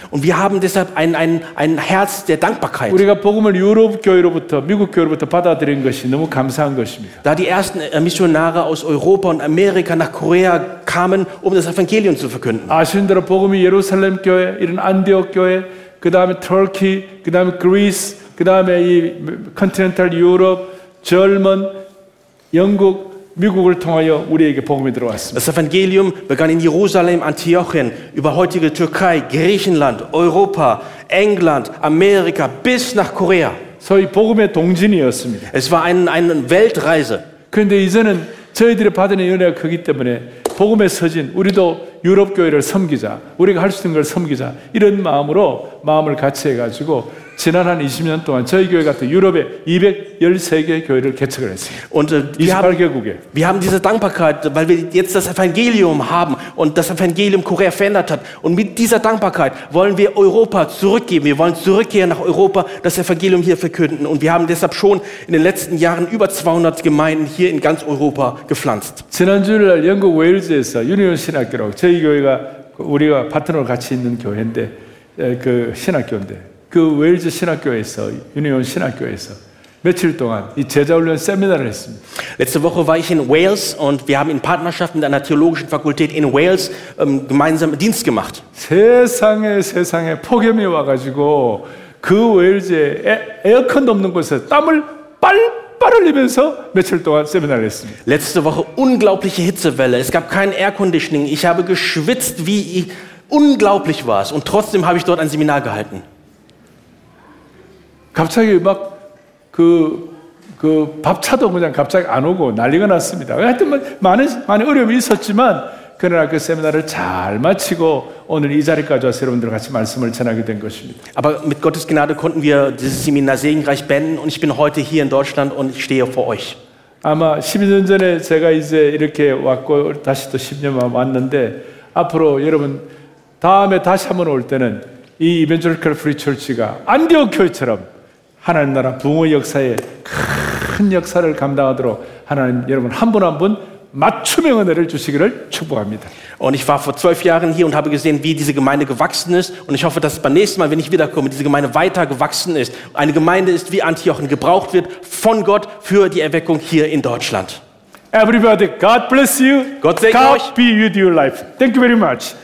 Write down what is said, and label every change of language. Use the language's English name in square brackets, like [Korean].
[German] Und wir haben deshalb ein Herz der Dankbarkeit. [Korean] 우리가 복음을 유럽 교회로부터 미국 교회로부터 받아들인 것이 너무 감사한 것입니다. [German] Da die ersten Missionare aus Europa und Amerika nach Korea kamen, um das Evangelium zu verkünden. [Korean] 아시는 대로 복음이 예루살렘 교회, 이런 안디옥 교회 그다음에 터키, 그다음에 그리스, 그다음에 이 컨티넨탈 유럽, 젊은 영국, 미국을 통하여 우리에게 복음이 들어왔습니다. [German] Das Evangelium begann in Jerusalem, Antiochien, über heutige Türkei, Griechenland, Europa, England, Amerika bis nach Korea. [Korean] 소위 복음의 동진이었습니다. [German] Es war eine Weltreise. [Korean] 그런데 이제는 저희들이 받은 은혜가 크기 때문에 복음의 서진 우리도 유럽 교회를 섬기자. 우리가 할 수 있는 걸 섬기자. 이런 마음으로 마음을 같이 해 가지고 지난 한 20년 동안 저희 교회 같은 유럽에 213개 교회를 개척을 했습니다. 28개국에. [German] Wir haben diese Dankbarkeit, weil wir jetzt das Evangelium haben und das Evangelium Korea verändert hat und mit dieser Dankbarkeit wollen wir Europa zurückgeben. Wir wollen zurückkehren nach Europa, das Evangelium hier verkünden und wir haben deshalb schon in den letzten Jahren über 200 Gemeinden hier in ganz Europa gepflanzt. [Korean] 지난주일날 영국 웨일즈에서 유니온 신학교라고 저희 교회가 우리가 파트너로 같이 있는 교회인데 그 신학교인데 그 웨일즈 신학교에서 유니온 신학교에서 며칠 동안 이 제자 훈련 세미나를 했습니다. [German] Letzte Woche war ich in Wales und wir haben in Partnerschaft mit einer theologischen Fakultät in Wales gemeinsam Dienst gemacht. [Korean] 세상에 폭염이 와 가지고 그 웨일즈에 에어컨도 없는 곳에서 땀을 빨빨 흘리면서 며칠 동안 세미나를 했습니다. [German] Letzte Woche unglaubliche Hitzewelle. Es gab kein Air Conditioning. Ich habe geschwitzt wie ich, unglaublich war es und trotzdem habe ich dort ein Seminar gehalten. [Korean] 갑자기 막 그 밥차도 그냥 갑자기 안 오고 난리가 났습니다. 하여튼 많은 어려움이 있었지만 그날 그 세미나를 잘 마치고 오늘 이 자리까지 와서 여러분들과 같이 말씀을 전하게 된 것입니다. [German] Aber mit Gottes Gnade konnten wir dieses Seminar segenreich beenden und ich bin heute hier in Deutschland und stehe vor euch. [Korean] 아마 12년 전에 제가 이제 이렇게 왔고 다시 또 10년만 왔는데 앞으로 여러분 다음에 다시 한번 올 때는 이 Evangelical Free Church가 안디옥 교회처럼 하나님 나라 부흥의 역사에 큰 역사를 감당하도록 하나님 여러분 한 분 한 분 맞춤의 은혜를 주시기를 축복합니다. [German] Und ich war vor 12 Jahren hier und habe gesehen, wie diese Gemeinde gewachsen ist und ich hoffe, dass beim nächsten Mal, wenn ich wiederkomme, diese Gemeinde weiter gewachsen ist. Eine Gemeinde ist wie Antiochen gebraucht wird von Gott für die Erweckung hier in Deutschland. [English] Everybody, God bless you. [German] Gott segne euch. [English] God be with your life. Thank you very much.